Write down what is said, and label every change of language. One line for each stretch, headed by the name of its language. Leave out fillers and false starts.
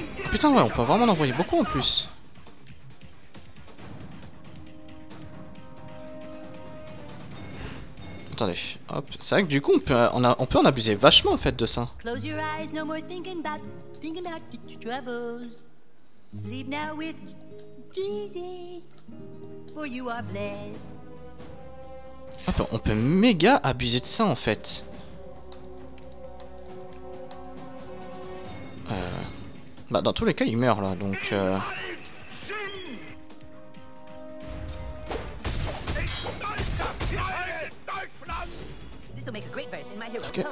French: Putain, ouais, on peut vraiment en envoyer beaucoup en plus. Attendez, hop, c'est vrai que du coup, on peut en abuser vachement en fait de ça.
English: Close your eyes, no more thinking about your troubles. Sleep now with Jesus, for you are blessed.
French: Hop, on peut méga abuser de ça en fait. Bah dans tous les cas il meurt là donc okay.